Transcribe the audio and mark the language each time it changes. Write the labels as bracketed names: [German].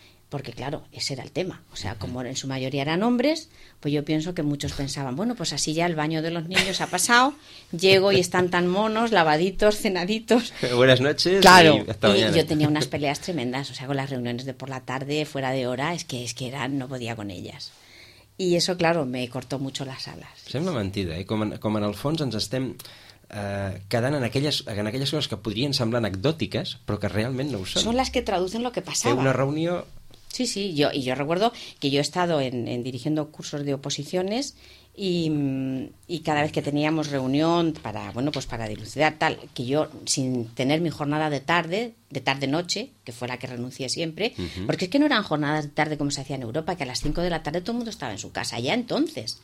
[Spanish] Porque, claro, ese era el tema. O sea, como en su mayoría eran hombres, pues yo pienso que muchos pensaban, bueno, pues así ya el baño de los niños ha pasado, llego y están tan monos, lavaditos, cenaditos. Buenas noches. Claro. Y yo tenía unas peleas tremendas. O sea, con las reuniones de por la tarde, fuera de hora, es que era, no podía con ellas. Y eso, claro, me cortó mucho las alas. [Catalan] Sembla mentida, ¿eh? Com en el fons ens estem... quedant en aquelles coses que podrien semblar anecdòtiques, però que realment no ho són. Són les que [Spanish] traducen lo [Catalan] que passava. Fer una reunió... [Spanish] Sí, sí, yo recuerdo que yo he estado en dirigiendo cursos de oposiciones y cada vez que teníamos reunión para dilucidar tal, que yo sin tener mi jornada de tarde-noche, que fue la que renuncié siempre, porque es que no eran jornadas de tarde como se hacía en Europa, que a las 5 de la tarde todo el mundo estaba en su casa, ya entonces.